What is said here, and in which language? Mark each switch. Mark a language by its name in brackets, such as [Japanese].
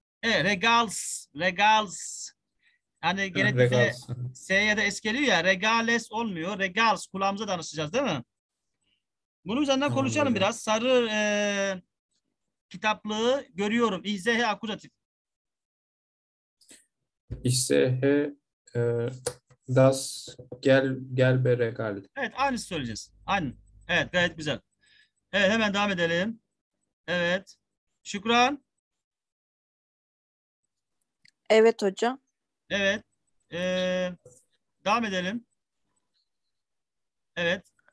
[German] Regals. Regals. [Turkish] Hani gene bize S'ye de S geliyor ya. Regales olmuyor. Regals. Kulağımıza danışacağız değil mi? Bunun üzerinden tamam, konuşalım öyle. Biraz. Sarı kitaplığı görüyorum. [German] Ich sehe akkusativ. Ich sehe das gelbe regal. [Turkish] Evet, aynısı söyleyeceğiz. Aynı. Evet, gayet güzel. Evet, hemen devam edelim. Evet. Şükran. Evet hocam. Evet. Devam edelim. Evet.